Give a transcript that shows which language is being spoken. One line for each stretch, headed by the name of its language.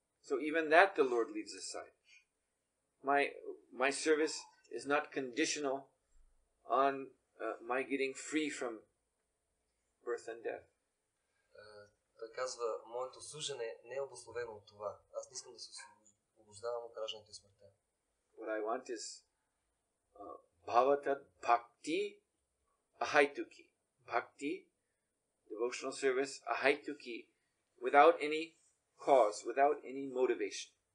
English: So even that the Lord leaves aside. My service is not conditional on my getting free from birth and death.
Bulgarian: Той казва, моето служене не е обословено от това. Аз не искам да се освобождавам от раждането и смъртта.
English: what I want is bhavatat bhakti ahaituki. Bhakti, devotional service, ahaituki, without any cause, without any motivation.